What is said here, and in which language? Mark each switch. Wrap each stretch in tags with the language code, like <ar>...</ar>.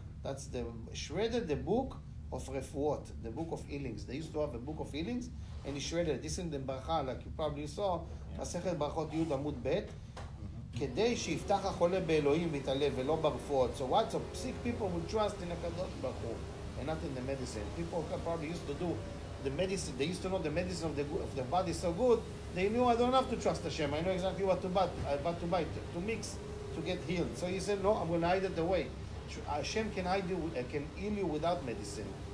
<en>That's the shredded the book of refuot, the book of healings. They used to have a book of healings, and he shredded. This in the bracha, like you probably saw,</en> <he>מסכת ברכות יהוד עמוד ב', כדי שיפתח החולה באלוהים ויתעלה ולא ברפואות.</he> <en>So what? So sick people would trust in הקדוש ברוך הוא, and not in the medicine. People probably used to do the medicine, they used to know the medicine of the body so good, they knew I don't have to trust Hashem, I know exactly what to buy, to mix, to get healed. So he said, no, I'm going to hide it away. Hashem can hide you, can heal you without medicine.</en>